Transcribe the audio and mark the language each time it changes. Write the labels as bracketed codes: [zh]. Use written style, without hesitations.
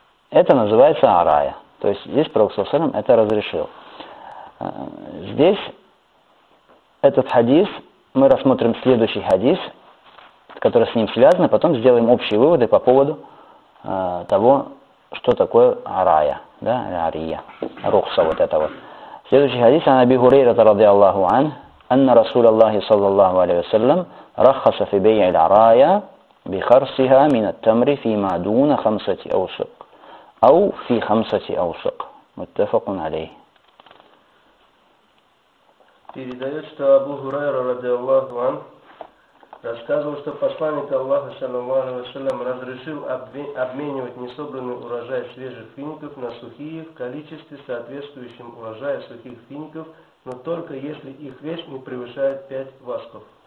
[ru] Это называется арая. То есть здесь пророк саллаллаху алейхи ва саллям это разрешил. Здесь этот хадис, мы рассмотрим следующий хадис, который с ним связан, а потом сделаем общие выводы по поводу того, что такое арая, да, ария, рухса вот это вот. [ar] Следующий хадис عن أبي هريرة رضي الله عنه أن رسول الله صلى الله عليه وسلم رخص في بيع العرايا بخرصها من التمر فيما دون خمسة أوسق أو في خمسة أوسق متفق عليه. [ru] Передает, что Абу Хурайра رضي الله عنه рассказывал, что посланник Аллаха صلى الله عليه وسلم разрешил обменивать несобранный урожай свежих фиников на сухие в количестве, соответствующем урожаю сухих фиников, но только если их вес не превышает 5 васков.